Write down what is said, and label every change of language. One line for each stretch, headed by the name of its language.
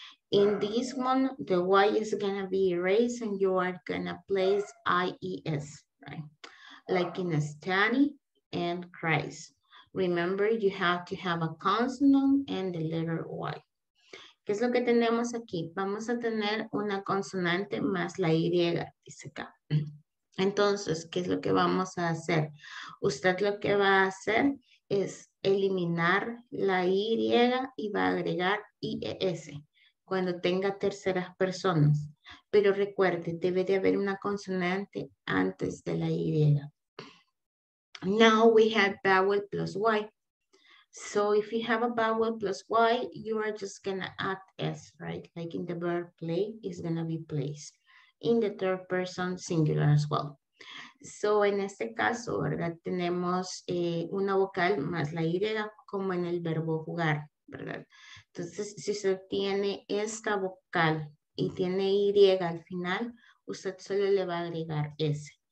English: In this one, the Y is going to be erased and you are going to place IES, right? Like in study and Christ. Remember, you have to have a consonant and the letter Y.
Spanish: ¿Qué es lo que tenemos aquí? Vamos a tener una consonante más la Y, dice acá. Entonces, ¿qué es lo que vamos a hacer? Usted lo que va a hacer es eliminar la Y y va a agregar IES cuando tenga terceras personas. Pero recuerde, debe de haber una consonante antes de la Y.
English: Now we have vowel plus Y. So if you have a vowel plus Y, you are just going to add S, right? Like in the verb play, it's going to be plays. In the third person singular as well. So,
Spanish: en este caso, ¿verdad? Tenemos una vocal más la Y como en el verbo jugar, ¿verdad? Entonces, si usted tiene esta vocal y tiene Y al final, usted solo le va a agregar S.